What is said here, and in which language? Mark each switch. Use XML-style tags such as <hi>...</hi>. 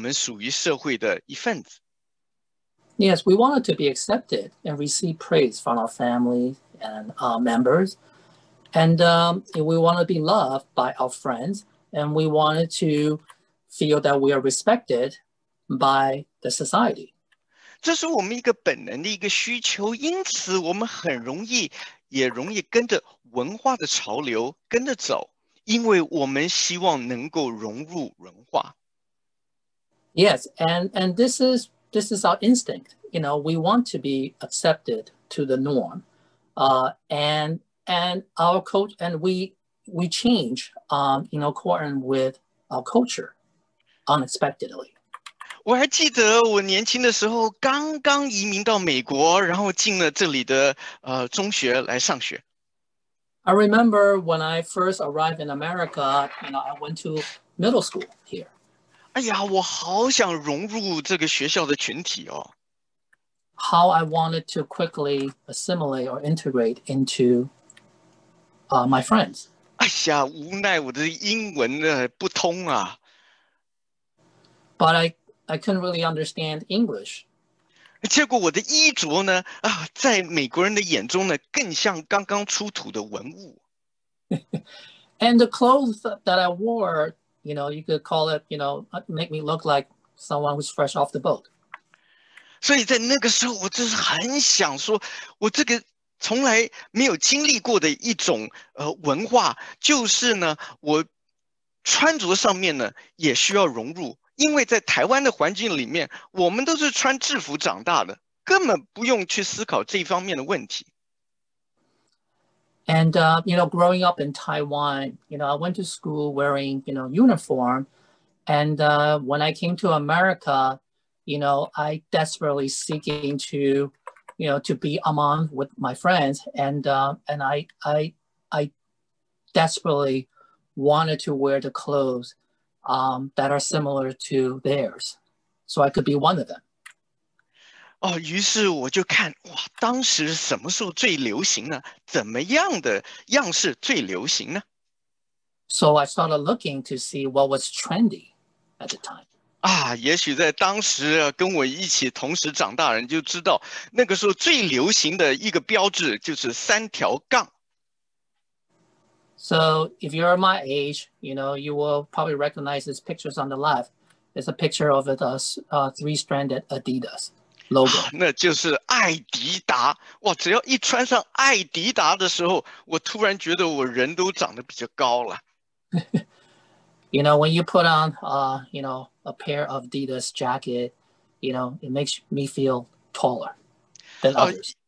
<zh>我们希望在家中能够得到父母的赞许，我们兄弟姐妹的接纳，我们在学校里面，我们希望能够被同学接纳，我们在社会当中能够人家能够看得起我们，能够认为我们属于社会的一份子。Yes,</zh> <en>we wanted to be accepted and receive praise from our family and our members, and we want to be loved by our friends, and we wanted to feel that we are respected by the society.</en> <zh>这是我们一个本能的一个需求，因此我们很容易，也容易跟着文化的潮流跟着走，因为我们希望能够融入文化。</zh> <en>Yes, and this is our instinct. you know, we want to be accepted to the norm. And our culture, and we change, you know, according with our culture unexpectedly.</en> <zh>我还记得我年轻的时候刚刚移民到美国，然后进了这里的中学来上学。</zh> <en>I remember when I first arrived in America, you know, I went to middle school here.</en> <zh>哎呀，我好想融入这个学校的群体哦。</zh> <en>How I wanted to quickly assimilate or integrate into my friends.</en> <zh>哎呀，无奈我的英文不通啊。</zh> <en>But I couldn't really understand English.</en> <zh>结果我的衣着呢，啊，在美国人的眼中呢，更像刚刚出土的文物。</zh> <en>And the clothes that I wore, you know, you could call it, you know, make me look like someone who's fresh off the boat.</en> <zh>所以在那个时候，我就是很想说，我这个从来没有经历过的一种文化，就是呢，我穿着上面呢也需要融入。因为在台湾的环境里面，我们都是穿制服长大的，根本不用去思考这方面的问题。</zh> <en>And, you know, growing up in Taiwan, you know, I went to school wearing, you know, uniform. And, when I came to America, you know, I desperately seeking to, you know, to be among with my friends. And, and I desperately wanted to wear the clothes. That are similar to theirs, so I could be one of them.</en> <zh>哦，于是我就看哇，当时什么时候最流行呢？怎么样的样式最流行呢？</zh> <en>So I started looking to see what was trendy at the time.</en> <zh>啊，也许在当时跟我一起同时长大人就知道，那个时候最流行的一个标志就是三条杠。</zh> <en>So if you're my age, you know, you will probably recognize these pictures on the left. It's a picture of the three-stranded Adidas logo.</en> <zh>那就是艾迪达。哇，只要一穿上艾迪达的时候，我突然觉得我人都长得比较高了。</zh> <en>You know, when you put on, you know, a pair of Adidas jacket, you know, it makes me feel taller than others.</en>